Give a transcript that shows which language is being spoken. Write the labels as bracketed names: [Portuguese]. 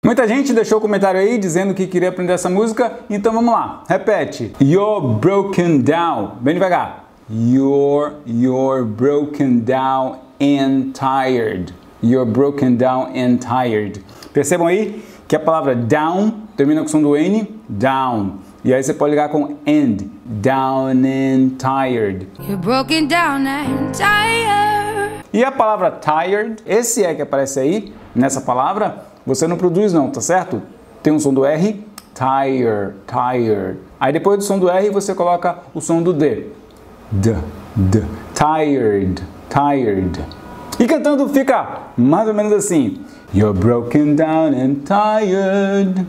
[Portuguese] Muita gente deixou comentário aí dizendo que queria aprender essa música, então vamos lá, repete. [English] You're broken down, [Portuguese] bem devagar. [English] You're broken down and tired. You're broken down and tired. [Portuguese] Percebam aí que a palavra down termina com o som do N, down. E aí você pode ligar com and, [English] down and tired. You're broken down and tired. [Portuguese] E a palavra tired, esse é que aparece aí nessa palavra, você não produz não, tá certo? Tem um som do R, tire, tire. Aí depois do som do R, você coloca o som do D. D, D, tired, tired. E cantando fica mais ou menos assim. [English] You're broken down and tired.